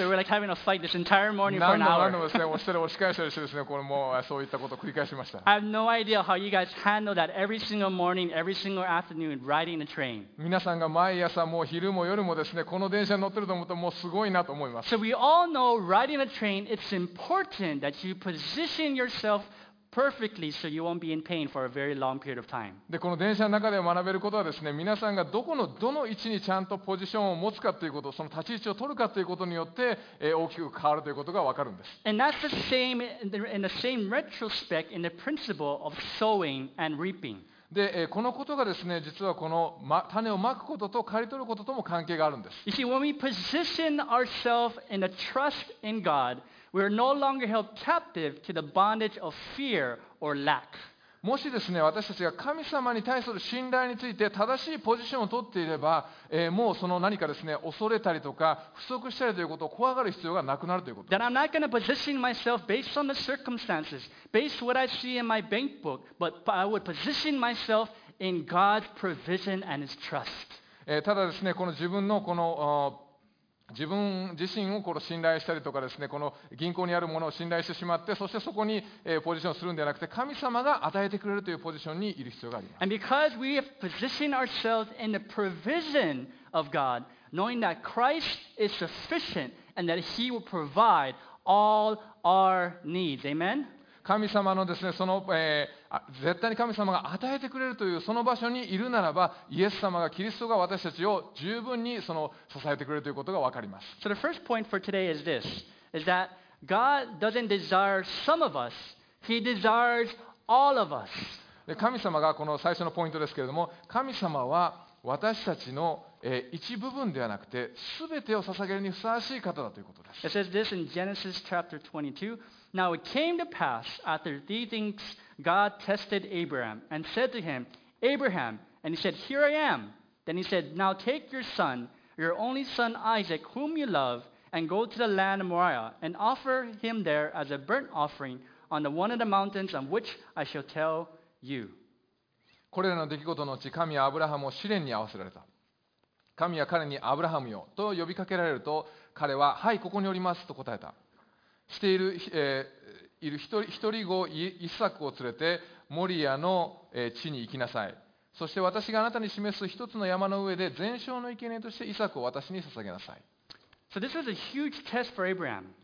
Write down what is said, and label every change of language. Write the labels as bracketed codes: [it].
[en] So we're like having a fight this entire morning for an hour. [ja] 何度もですね、押したり押し返したりしてですね、これもうそういったことを繰り返しました。 [en] I have no idea how you guys handle that every single morning, every single afternoon, riding the train. [ja] 皆さんが毎朝もう昼も夜もですね、この電車に乗ってると思うともうすごいなと思います。 [en] So we all know riding a train, it's important that you position yourself. Perfectly, so you won't be in pain for a very long period of time. [ja] で、この電車の中で学べることはですね、皆さんがどの位置にちゃんとポジションを持つかということ、その立ち位置を取るかということによって、大きく変わるということがわかるんです。 [en] And that's the same in the same retrospect in the principle of sowing and reaping. [ja] でこのことがですね、実はこの種をまくことと刈り取ることとも関係があるんです。 [en] You see, when we position ourselves in a trust in God, we are no longer held captive to the bondage of fear or lack. [ja] もしですね、私たちが神様に対する信頼について正しいポジションを取っていれば、もうその何かですね、恐れたりとか不足したりということを怖がる必要がなくなるということ。 [en] That I'm not going to position myself based on the circumstances, based what I see in my bank book, but I would position myself in God's provision and His trust. [ja] ただですね、この自分のこの自分自身をこの信頼したりとかですね、この銀行にあるものを信頼してしまって、そしてそこにポジションするんではなくて、神様が与えてくれるというポジションにいる必要があります。 [en] And because we have positioned ourselves in the provision of God, knowing that Christ is sufficient and that He will provide all our needs. Amen? [ja] 神様のですね、その、絶対に神様が与えてくれるというその場所にいるならば、イエス様が、キリストが私たちを十分にその支えてくれるということがわかります。 [en] So the first point for today is this, is that God doesn't desire some of us, He desires all of us. [ja] 神様がこの最初のポイントですけれども、神様は私たちの一部分ではなくて全てを捧げるにふさわしい方だということです。 [en] It says this in Genesis chapter 22. Now it came to pass after these things God tested Abraham and said to him, Abraham, and he said, Here I am. Then he said, Now take your son, your only son Isaac, whom you love, and go to the land of Moriah and offer him there as a burnt offering on the one of the mountains on which I shall tell you. [ja] これらの出来事のうち神はアブラハムを試練に合わせられた。神は彼にアブラハムよと呼びかけられると彼ははいここにおりますと答えた。している、いる一人子イサクを連れてモリアの、地に行きなさい。そして私があなたに示す一つの山の上で全焼の生贄としてイサクを私に捧げなさい。 [en] So this was a huge test for Abraham.